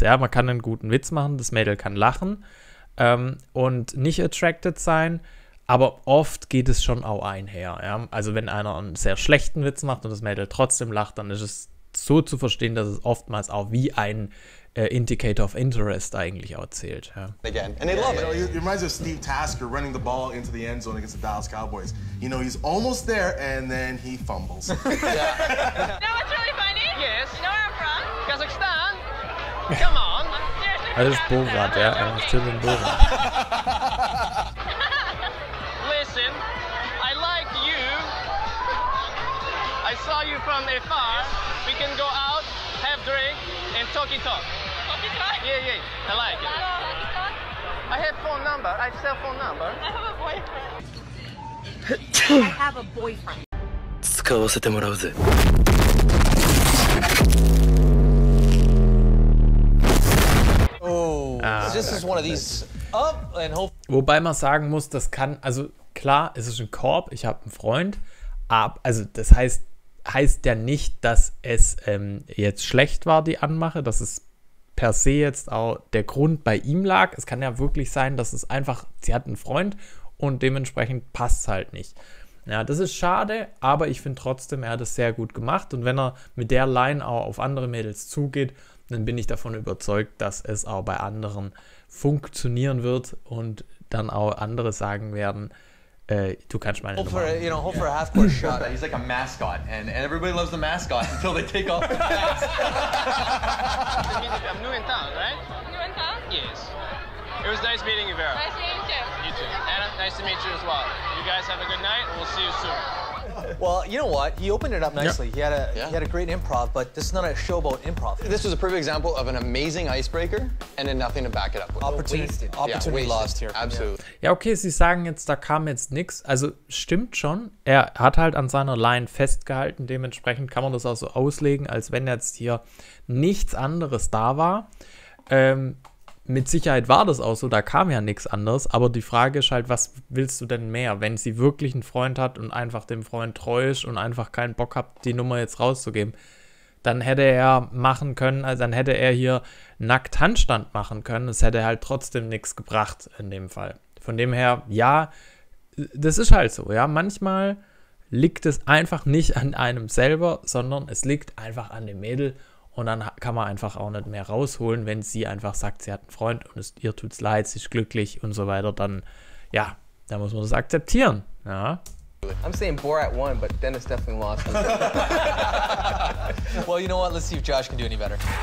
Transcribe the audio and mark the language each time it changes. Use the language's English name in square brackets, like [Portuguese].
[German] Ja, man kann einen guten Witz machen, das Mädel kann lachen und nicht attracted sein, aber oft geht es schon auch einher. Ja? Also wenn einer einen sehr schlechten Witz macht und das Mädel trotzdem lacht, dann ist es so zu verstehen, dass es oftmals auch wie ein Indicator of Interest eigentlich auch zählt. Ja. [English] Again, and they love it. You know, it reminds me of Steve Tasker running the ball into the end zone against the Dallas Cowboys. You know, he's almost there and then he fumbles. You know what's really funny? Yes. You know where I'm from? Kazakhstan. Come on. [German] Alles Bogart, ja. Er macht schön den Bogart. [English] Listen, I like you. I saw you from afar. We can go out, have drink. And talky-talk. Yeah, I like it. I have phone number. I have cell phone number. I have a boyfriend. [Japanese] 使わせてもらうぜ。 [English] Oh. Ah, this is one of these up and hope. [German] Wobei man sagen muss, das kann, also klar, es ist ein Korb, ich habe einen Freund, aber, also das heißt ja nicht, dass es jetzt schlecht war, die Anmache, dass es per se jetzt auch der Grund bei ihm lag. Es kann ja wirklich sein, dass es einfach, sie hat einen Freund und dementsprechend passt es halt nicht. Ja, das ist schade, aber ich finde trotzdem, er hat es sehr gut gemacht. Und wenn er mit der Line auch auf andere Mädels zugeht, dann bin ich davon überzeugt, dass es auch bei anderen funktionieren wird und dann auch andere sagen werden, du kannst meine Nummer. [English] You know, hope for a half-court shot. He's like a mascot. And everybody loves the mascot until they take off the pants. I'm new in town, right? New in town? Yes. It was nice meeting you, Vera. Nice meeting you. You too. Anna, nice to meet you as well. You guys have a good night, and we'll see you soon. Well, you know what? He opened it up nicely. Yeah. He had a great improv, but this is not a show about improv. This was a perfect example of an amazing icebreaker and then nothing to back it up with. Opportunity lost here. Absolutely. [German] Ja, okay, sie sagen jetzt, da kam jetzt nichts. Also stimmt schon. Er hat halt an seiner Line festgehalten. Dementsprechend kann man das auch so auslegen, als wenn jetzt hier nichts anderes da war. Mit Sicherheit war das auch so, da kam ja nichts anderes, aber die Frage ist halt, was willst du denn mehr, wenn sie wirklich einen Freund hat und einfach dem Freund treu ist und einfach keinen Bock hat, die Nummer jetzt rauszugeben, dann hätte er machen können, also dann hätte er hier nackt Handstand machen können, es hätte halt trotzdem nichts gebracht in dem Fall. Von dem her, ja, das ist halt so, ja, manchmal liegt es einfach nicht an einem selber, sondern es liegt einfach an dem Mädel. Und dann kann man einfach auch nicht mehr rausholen, wenn sie einfach sagt, sie hat einen Freund und es, ihr tut's leid, sie ist glücklich und so weiter, dann, ja, da muss man das akzeptieren. Ja. [English] I'm saying Borat won, but Dennis definitely lost. Well, you know what, let's see if Josh can do any better.